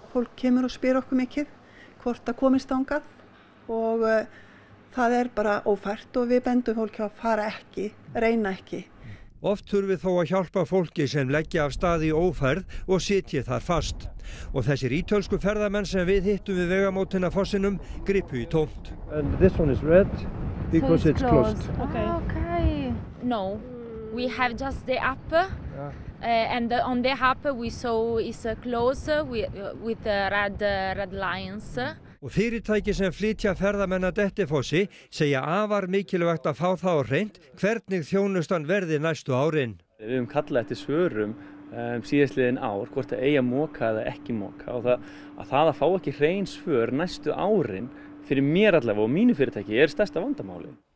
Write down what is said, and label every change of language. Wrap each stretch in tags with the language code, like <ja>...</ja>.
<is>Fólk kemur og spyr okkur mikið hvort það komist þangað og það er bara ófært og við bendum fólk að fara ekki, reyna ekki. Oft þurfi þó að hjálpa fólki sem leggja af staði í óferð og sitji þar fast. Og þessir ítölsku ferðamenn sem við hittum við vegamótina fossinum gripu í tómt.</is> <en>And this one is red because it's closed. Okay. No, we have just the app. And on the app we saw it's closed with the red lines.</en> <is>Og fyrirtæki sem flytja ferðamenn að Dettifossi segja afar mikilvægt að fá þá hreint hvernig þjónustan verði næstu árin. Við höfum kallað eftir svörum síðastliðin ár, hvort að eiga moka eða ekki moka og það að fá ekki hrein svör næstu árin fyrir mér allavega og mínu fyrirtæki er stærsta vandamálið.</is>